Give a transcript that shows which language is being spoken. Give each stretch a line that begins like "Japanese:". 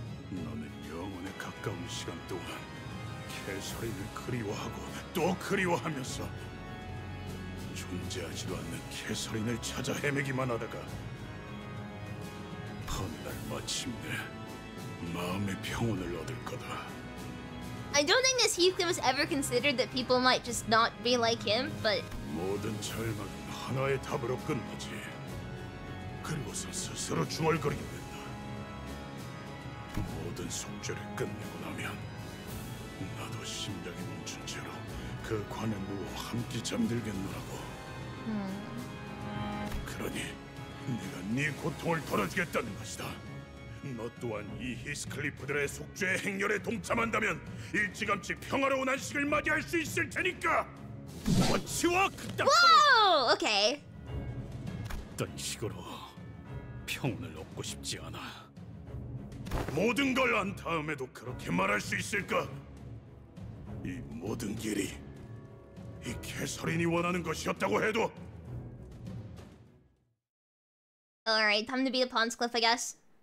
Korean: 너는 영원에 가까운 시간 동안 캐서린을 그리워하고 또 그리워하면서 존재하지도 않는 캐서린을 찾아 헤매기만 하다가 어느 날 마침내 마음의 평온을 얻을 거다.
English: I don't think this Heathcliff was ever considered that people might just not be like him, but
Korean: 모든 절망은 하나의 답으로 끝나지. 그리고서 스스로 중얼거리게 된다. 모든 속죄를 끝내고 나면 나도 심장이 멈춘 채로 그 관에 누워 함께 잠들겠노라고. 그러니 네가 네 고통을 덜어주겠다는 것이다. 너 또한 이 히스클리프들의 속죄 행렬에 동참한다면 일찌감치 평화로운 안식을 맞이할 수 있을 테니까. 워치워 그따. 와, 오케이. 어떤 식으로 평온을 얻고 싶지 않아. 모든 걸 안 다음에도 그렇게 말할 수 있을까? 이 모든 길이. 이 캐서린이 원하는 것이었다고 해도.
English: All right, time to be the Pawn's Cliff, I guess.